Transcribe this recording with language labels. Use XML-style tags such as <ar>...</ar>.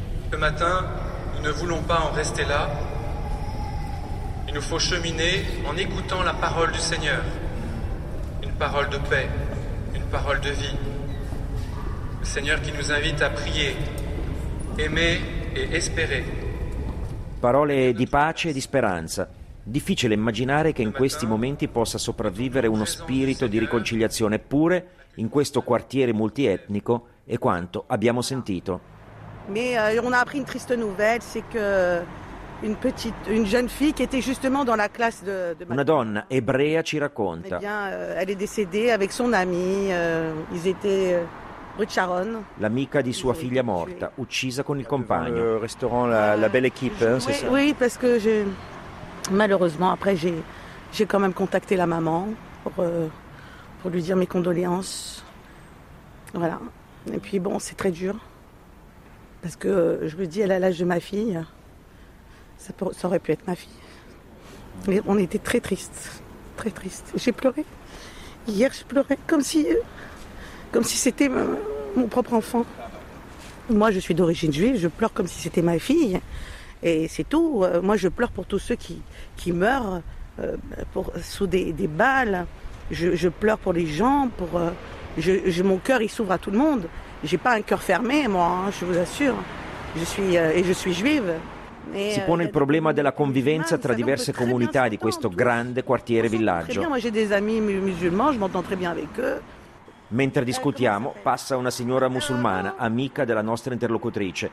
<fr>Ce matin, nous ne voulons pas en rester là. Il nous faut cheminer en écoutant la parole du Seigneur. Une parole de paix, une parole de vie. Le Seigneur qui nous invite à prier, aimer et espérer.</fr> <it>Parole di pace e di speranza. Difficile immaginare che in questi momenti possa sopravvivere uno spirito di riconciliazione, eppure in questo quartiere multietnico è quanto abbiamo sentito.</it> <fr>Mais on a appris une triste nouvelle, c'est que une petite une jeune fille qui était justement dans la classe de</fr> <it>Una donna ebrea ci racconta.</it> <fr>Eh bien, elle est décédée avec son ami, ils étaient</fr> <it>L'amica di sua figlia morta, uccisa con il compagno.</it> <fr>Il restaurant la belle équipe, hein, c'est ça? Oui, parce que j'ai malheureusement après j'ai quand même contacté la maman pour lui dire mes condoléances. Voilà. Et puis bon, c'est très dur parce que je me dis elle a l'âge de ma fille. Ça aurait pu être ma fille. Mais on était très tristes, très tristes. J'ai pleuré. Hier, je pleurais comme si c'était mon propre enfant. Moi, je suis d'origine juive, je pleure comme si c'était ma fille. Et c'est tout. Moi, je pleure pour tous ceux qui meurent sous des balles. Je pleure pour les gens. Mon cœur, il s'ouvre à tout le monde. Je n'ai pas un cœur fermé, moi, hein, je vous assure. Je suis juive.</fr> <it>Si pone il problema della convivenza tra diverse comunità di questo grande quartiere villaggio.</it> <fr>Moi, j'ai des amis musulmans, je m'entends très bien avec eux.</fr> <it>Mentre discutiamo, passa una signora musulmana, amica della nostra interlocutrice.</it>